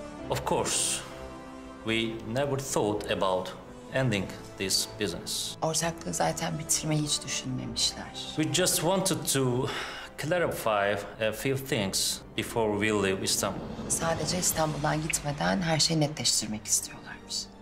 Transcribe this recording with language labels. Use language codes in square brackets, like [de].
[en] Of course, we never thought about ending this business. [tr] Ortaklığı zaten bitirmeyi hiç düşünmemişler. [en] We just wanted to clarify a few things before we leave Istanbul. [tr] Sadece İstanbul'dan gitmeden her şeyi netleştirmek istiyorlarmış.